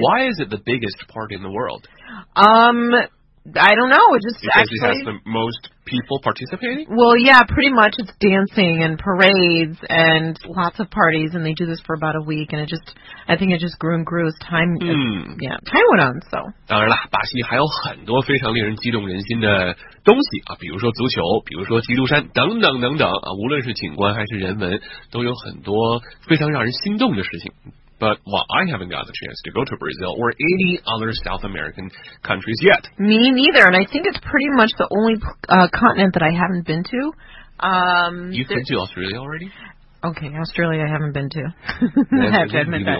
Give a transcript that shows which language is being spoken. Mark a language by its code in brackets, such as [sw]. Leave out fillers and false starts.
[en] Why is it the biggest party in the world? I don't know. It just Because actually, it has the most people participating? Well, yeah, pretty much it's dancing and parades and lots of parties, and they do this for about a week, and it just, I think it just grew and grew as time,time went on, so. [zh] 当然了，巴西还有很多非常令人激动人心的东西啊，比如说足球，比如说基督山等等等等啊，无论是景观还是人文，都有很多非常让人心动的事情。 [en] But, well, I haven't got the chance to go to Brazil or any other South American countries yet. Me neither, and I think it's pretty much the only continent that I haven't been to. You've been to Australia already? Okay, Australia I haven't been to. Well, I have to admit that.